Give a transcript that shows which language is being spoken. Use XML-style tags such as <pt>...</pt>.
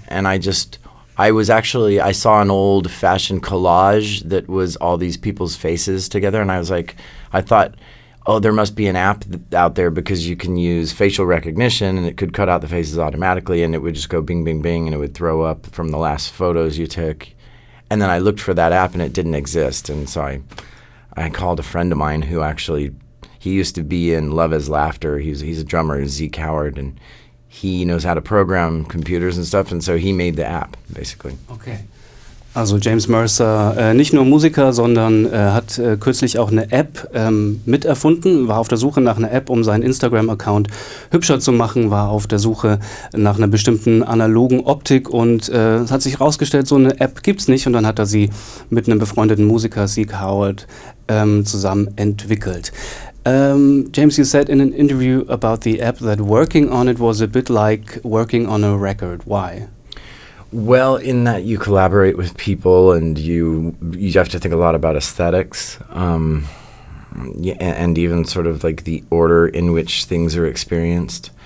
<en>And I saw an old fashioned collage that was all these people's faces together, and I was like, I thought, oh, there must be an app out there because you can use facial recognition and it could cut out the faces automatically and it would just go bing, bing, bing, and it would throw up from the last photos you took. And then I looked for that app and it didn't exist. And so I called a friend of mine who actually, he used to be in Love is Laughter. He's a drummer, Zeke Howard, and he knows how to program computers and stuff. And so he made the app, basically. Okay.</en> <de>Also James Mercer, nicht nur Musiker, sondern hat kürzlich auch eine App miterfunden, war auf der Suche nach einer App, um seinen Instagram-Account hübscher zu machen, war auf der Suche nach einer bestimmten analogen Optik und es hat sich herausgestellt, so eine App gibt's nicht, und dann hat er sie mit einem befreundeten Musiker, Zeke Howard, zusammen entwickelt.</de> <en>James, you said in an interview about the app that working on it was a bit like working on a record. Why? Well, in that you collaborate with people and you have to think a lot about aesthetics, and even sort of like the order in which things are experienced.</en>